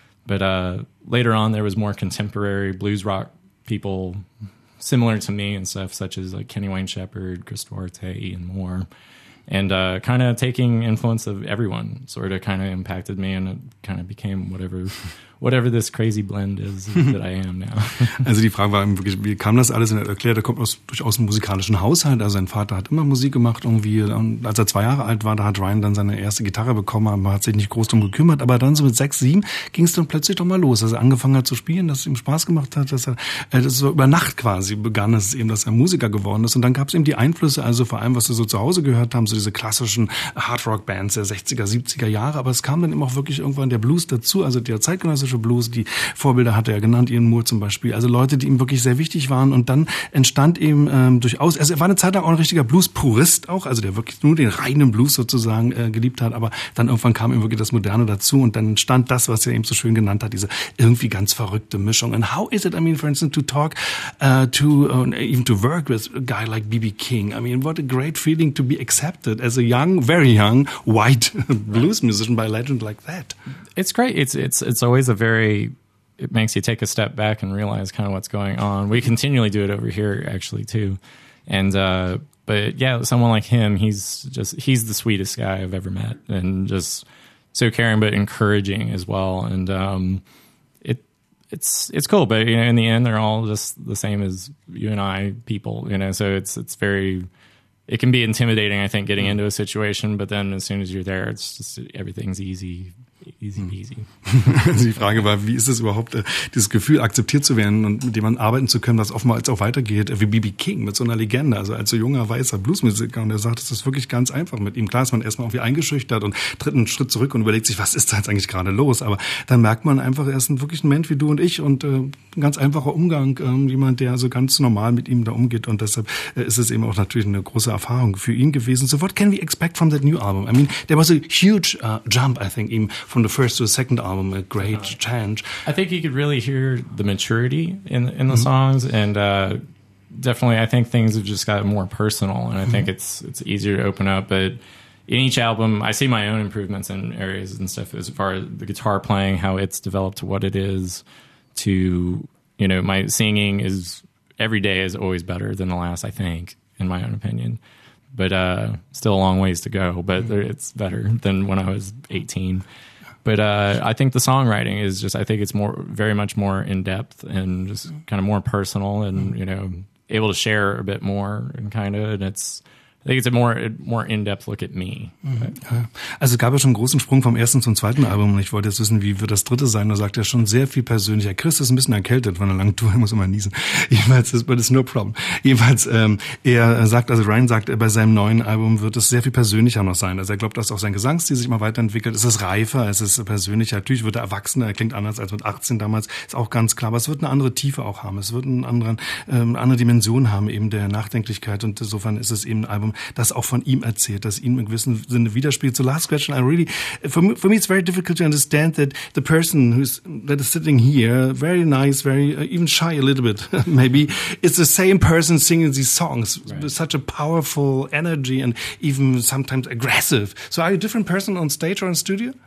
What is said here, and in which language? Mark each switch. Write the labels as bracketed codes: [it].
[en] But later on, there was more contemporary blues rock people similar to me and stuff, such as like Kenny Wayne Shepherd, Chris Duarte, Ian Moore. And kind of taking influence of everyone sort of kind of impacted me, and it kind of became whatever this crazy blend is that I am now. [de] Also die Frage war eben wirklich, wie kam das alles? Und er erklärt, er kommt durchaus einem musikalischen Haushalt. Also sein Vater hat immer Musik gemacht irgendwie. Und als er 2 Jahre alt war, da hat Ryan dann seine erste Gitarre bekommen, aber hat sich nicht groß drum gekümmert. Aber dann so mit 6, 7 ging es dann plötzlich doch mal los, dass er angefangen hat zu spielen, dass es ihm Spaß gemacht hat, dass er das so über Nacht quasi begann, dass es eben, dass er Musiker geworden ist. Und dann gab es eben die Einflüsse, also vor allem, was wir so zu Hause gehört haben, so diese klassischen Hardrock-Bands der 60er, 70er Jahre. Aber es kam dann eben auch wirklich irgendwann der Blues dazu, also der zeitgenössische Blues, die Vorbilder hatte er genannt, Ian Moore zum Beispiel, also Leute, die ihm wirklich sehr wichtig waren, und dann entstand eben durchaus, also er war eine Zeit lang auch ein richtiger Blues-Purist auch, also der wirklich nur den reinen Blues sozusagen geliebt hat, aber dann irgendwann kam ihm wirklich das Moderne dazu, und dann entstand das, was er eben so schön genannt hat, diese irgendwie ganz verrückte Mischung. [en] And how is it, I mean, for instance, to talk to, even to work with a guy like B.B. King? I mean, what a great feeling to be accepted as a young, very young, white blues musician by a legend like that. It's great. It's always a very, it makes you take a step back and realize kind of what's going on. We continually do it over here actually too. And but yeah, someone like him, he's the sweetest guy I've ever met, and just so caring but encouraging as well. And it's cool, but you know, in the end they're all just the same as you and I, people, you know. So it's very, it can be intimidating, I think, getting into a situation, but then as soon as you're there, it's just, everything's easy peasy. [de] Also die Frage war, wie ist es überhaupt, dieses Gefühl, akzeptiert zu werden und mit dem man arbeiten zu können, was oftmals auch weitergeht, wie B.B. King mit so einer Legende, also als so junger, weißer Bluesmusiker. Und er sagt, es ist wirklich ganz einfach mit ihm. Klar ist man erstmal irgendwie eingeschüchtert und tritt einen Schritt zurück und überlegt sich, was ist da jetzt eigentlich gerade los? Aber dann merkt man einfach, er ist wirklich ein Mensch wie du und ich, und ein ganz einfacher Umgang, jemand, der so ganz normal mit ihm da umgeht. Und deshalb ist es eben auch natürlich eine große Erfahrung für ihn gewesen. [en] So what can we expect from that new album? I mean, there was a huge jump, I think, ihm from the first to the second album, a great change. I think you could really hear the maturity in the songs, and definitely I think things have just gotten more personal, and I think it's easier to open up. But in each album, I see my own improvements in areas and stuff as far as the guitar playing, how it's developed to what it is, to, you know, my singing is every day is always better than the last, I think, in my own opinion. but still a long ways to go, but it's better than when I was 18. But I think the songwriting is just, I think it's more, very much more in depth and just kind of more personal and, you know, able to share a bit more and kind of, and it's, I think it's a more in-depth look at me. [de] Also es gab ja schon einen großen Sprung vom ersten zum zweiten Album und ich wollte jetzt wissen, wie wird das dritte sein? Da sagt er schon sehr viel persönlicher. Chris ist ein bisschen erkältet von einer langen Tour, er muss immer niesen. Jedenfalls, [en] but it's no problem. [de] Jedenfalls, er sagt, also Ryan sagt, bei seinem neuen Album wird es sehr viel persönlicher noch sein. Also er glaubt, dass auch sein Gesangsstil sich mal weiterentwickelt. Es ist reifer, es ist persönlicher. Natürlich wird er erwachsener, er klingt anders als mit 18 damals. Ist auch ganz klar, aber es wird eine andere Tiefe auch haben. Es wird einen anderen, eine andere Dimension haben, eben der Nachdenklichkeit und insofern ist es eben ein Album, das auch von ihm erzählt, das ihm in gewissem Sinne widerspiegelt. [en] So last question, I really, for me it's very difficult to understand that the person who's, that is sitting here, very nice, very, even shy a little bit, maybe, is the same person singing these songs, right, with such a powerful energy and even sometimes aggressive. So are you a different person on stage or in studio?